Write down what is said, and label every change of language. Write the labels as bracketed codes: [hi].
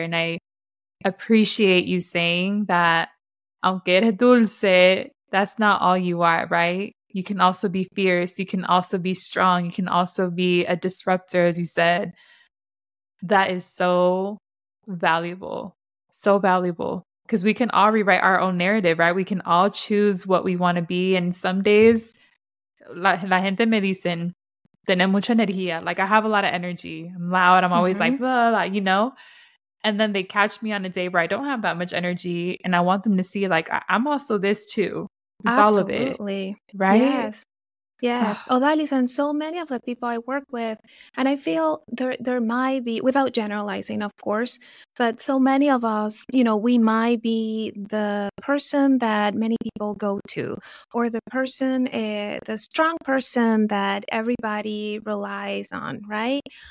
[en] And I appreciate you saying that, [es] aunque eres dulce, [en] that's not all you are, right? You can also be fierce. You can also be strong. You can also be a disruptor, as you said. That is so valuable. So valuable. Because we can all rewrite our own narrative, right? We can all choose what we want to be. And some days, [es] la gente me dicen, tiene mucha energía. [en] Like, I have a lot of energy. I'm loud. I'm always like, blah, blah, blah, you know? And then they catch me on a day where I don't have that much energy. And I want them to see, like, I'm also this too. It's absolutely all of it, right? Yes, yes. Oh, that is, and so many of the people I work with, and I feel there might be, without generalizing, of course, but so many of us, you know, we might be the person that many people go to, or the person, the strong person that everybody relies on, right?